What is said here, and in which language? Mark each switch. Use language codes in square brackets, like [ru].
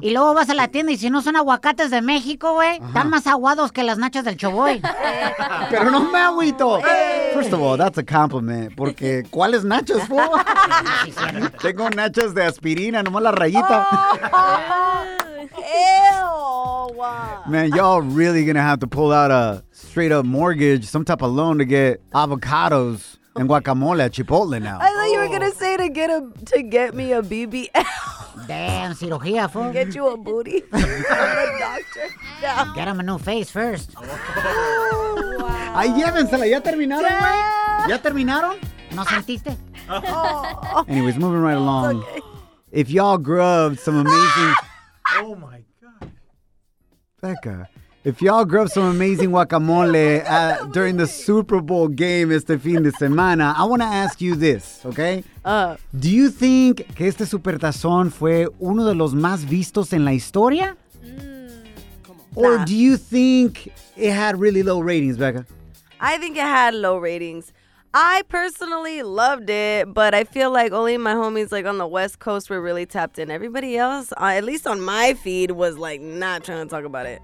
[es] Y luego vas a la tienda y si no son aguacates de México, güey, están más aguados que las nachas del Choboy. ¡Pero no me agüito! [en] First of all, that's a compliment, [es] porque ¿cuáles nachos, fo? Tengo nachos de aspirina, nomás la rayita. [en] Man, y'all really gonna have to pull out a straight up mortgage, some type of loan to get avocados and guacamole at Chipotle now. I thought you were gonna say to get a to get me a BBL. Damn, cirugía, fool. Get you a booty. I'm a doctor. Yeah. Get him a new face first. [es] Oh, wow. Ay, llévensela. ¿Ya terminaron, güey? ¿Ya terminaron? ¿No sentiste? Oh. [en] Anyways, moving right along. Okay. If y'all grub some amazing... Oh, my God. Becca, if y'all grub some amazing guacamole during the Super Bowl game [es] este fin de semana, [en] I want to ask you this, okay? Do you think [es] que este supertazón fue uno de los más vistos en la historia? [en] Or do you think it had really low ratings, Becca? I think it had low ratings. I personally loved it, but I feel like only my homies like on the West Coast were really tapped in. Everybody else, at least on my feed, was like not trying to talk about it.